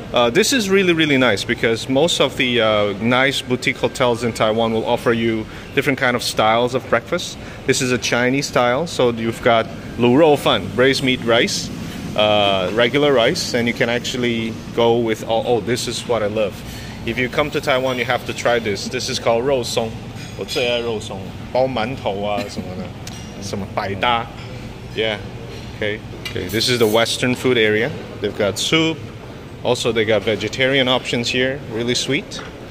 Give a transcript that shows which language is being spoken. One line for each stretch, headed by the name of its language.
English: This is really, really nice because most of the nice boutique hotels in Taiwan will offer you different kind of styles of breakfast. This is a Chinese style, so you've got 卤肉饭, braised meat rice, regular rice, and you can actually go with, oh, this is what I love. If you come to Taiwan, you have to try this. This is called 肉松.
Chinese: 我最爱肉松, 包馒头啊什么的, 什么百搭。
English: Yeah, okay. Okay, this is the Western food area. They've got soup. Also, they got vegetarian options here, really sweet.